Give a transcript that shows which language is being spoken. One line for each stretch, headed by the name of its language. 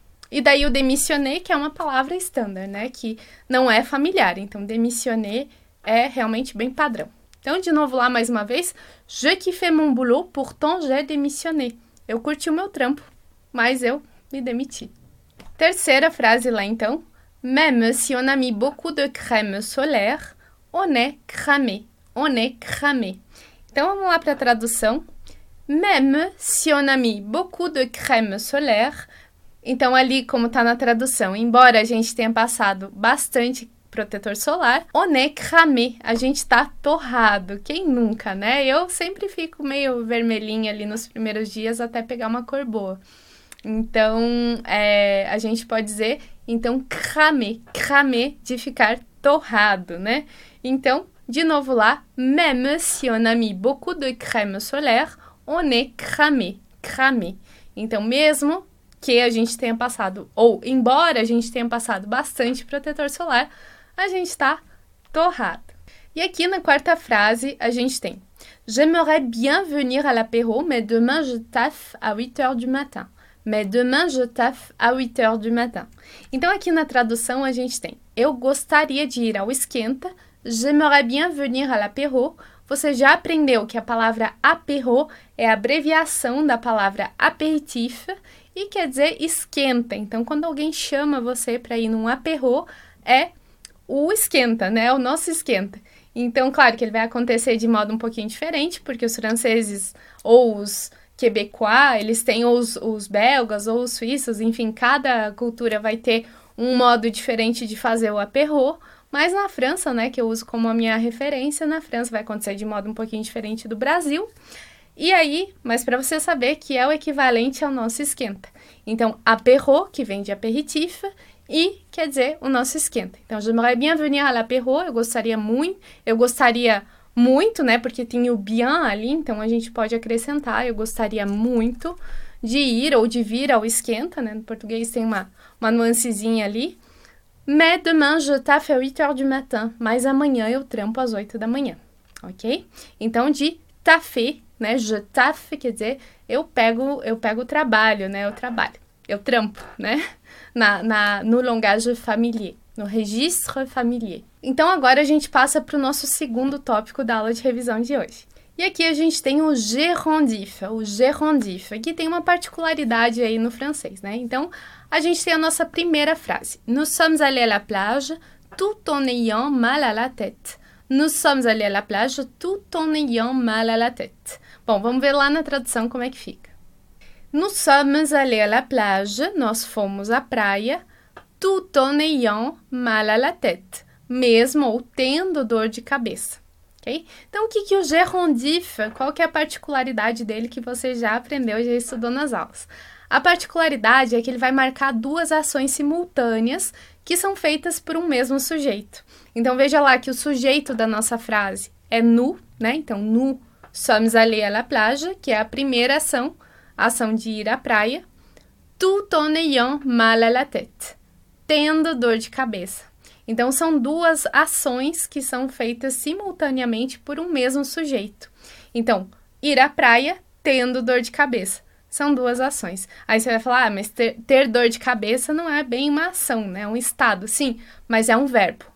Portuguese: E daí o demissionei, que é uma palavra standard, né? Que não é familiar. Então, demissionei é realmente bem padrão. Então, de novo lá, mais uma vez.
French: Je kiffe mon boulot, pourtant j'ai demissionné.
Portuguese: Eu curti o meu trampo, mas eu me demiti. Terceira frase lá, então.
French: Même si on a mis beaucoup de crème solaire, on est cramé. On est cramé.
Portuguese: Então, vamos lá para a tradução.
French: Même si on a mis beaucoup de crème solaire.
Portuguese: Então, ali, como está na tradução, embora a gente tenha passado bastante protetor solar,
French: on est cramé.
Portuguese: A gente está torrado. Quem nunca, né? Eu sempre fico meio vermelhinha ali nos primeiros dias até pegar uma cor boa. Então, a gente pode dizer, então, cramé. Cramé de ficar torrado, né? Então, de novo lá.
French: Même si on a mis beaucoup de crème solaire, on est cramé, cramé.
Portuguese: Então, mesmo que a gente tenha passado, ou embora a gente tenha passado bastante protetor solar, a gente está torrado. E aqui na quarta frase, a gente tem:
French: J'aimerais bien venir à l'apéro, mais demain je taffe à 8h du matin. Mais demain je taffe à 8h du matin.
Portuguese: Então, aqui na tradução, a gente tem: Eu gostaria de ir ao esquenta.
French: J'aimerais bien venir à l'apéro.
Portuguese: Você já aprendeu que a palavra apéro é a abreviação da palavra aperitif e quer dizer esquenta. Então, quando alguém chama você para ir num apéro, é o esquenta, né? O nosso esquenta. Então, claro que ele vai acontecer de modo um pouquinho diferente, porque os franceses ou os quebecois, eles têm os belgas ou os suíços, enfim, cada cultura vai ter um modo diferente de fazer o apéro. Mas na França, né, que eu uso como a minha referência, na França vai acontecer de modo um pouquinho diferente do Brasil. E aí, mas para você saber que é o equivalente ao nosso esquenta. Então, apéro, que vem de aperitif, e quer dizer o nosso esquenta. Então,
French: j'aimerais bien venir à l'apéro,
Portuguese: eu gostaria muito, né, porque tem o bien ali, então a gente pode acrescentar, eu gostaria muito de ir ou de vir ao esquenta, né, no português tem uma nuancezinha ali.
French: Mais demain je taffe à 8h du matin.
Portuguese: Mas amanhã eu trampo às 8 da manhã. Ok? Então, de taffer, né? Je taffe, quer dizer, eu pego o trabalho, né? Eu trabalho. Eu trampo, né? No langage familier. No registre familier. Então, agora a gente passa para o nosso segundo tópico da aula de revisão de hoje. E aqui a gente tem o gérondif. O gérondif. Aqui tem uma particularidade aí no francês, né? Então, a gente tem a nossa primeira frase.
French: Nous sommes allés à la plage tout en ayant mal à la tête. Nous sommes allés à la plage tout en ayant mal à la tête.
Portuguese: Bom, vamos ver lá na tradução como é que fica.
French: Nous sommes allés à la plage,
Portuguese: nós fomos à praia,
French: tout en ayant mal à la tête.
Portuguese: Mesmo ou tendo dor de cabeça. Okay? Então, o que que o gérondif, qual que é a particularidade dele que você já aprendeu, já estudou nas aulas? A particularidade é que ele vai marcar duas ações simultâneas que são feitas por um mesmo sujeito. Então, veja lá que o sujeito da nossa frase é nous, né? Então,
French: nous sommes allés à la plage,
Portuguese: que é a primeira ação, a ação de ir à praia.
French: Tout en ayant mal à la tête,
Portuguese: tendo dor de cabeça. Então, são duas ações que são feitas simultaneamente por um mesmo sujeito. Então, ir à praia tendo dor de cabeça. São duas ações. Aí você vai falar, ah, mas ter dor de cabeça não é bem uma ação, né? É um estado, sim, mas é um verbo.